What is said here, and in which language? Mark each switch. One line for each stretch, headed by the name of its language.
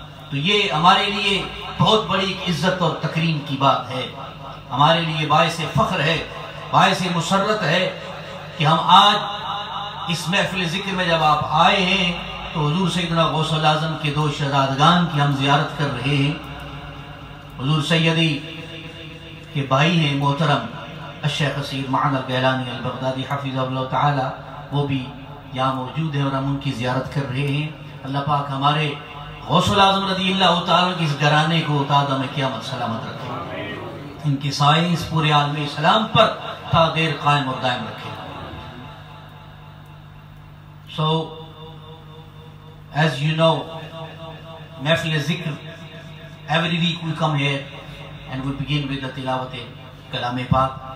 Urdu: To ye, amare liye, bahut badi ek izzat aur takreem ki baat hai. Amare liye baise fakhr hai, baise musarrat hai, ki hum aaj is mehfil zikr mein jab aap aaye hain, تو حضور سیدنا غوث العظم کے دو شہزادگان کی ہم زیارت کر رہے ہیں. حضور سیدی کے بھائی ہیں محترم الشیخ سید معن الغیلانی البغدادی حفظ اللہ تعالی, وہ بھی یہاں موجود ہیں اور ہم ان کی زیارت کر رہے ہیں. اللہ پاک ہمارے غوث العظم رضی اللہ تعالی کی اس گرانے کو تا دم قیامت سلامت رکھے, ان کے سائے اس پورے عالم اسلام پر تا دیر قائم اور دائم رکھے.
English: So as you know, Mefil Zikr, every week we come here and we begin with the tilawat kalame paak.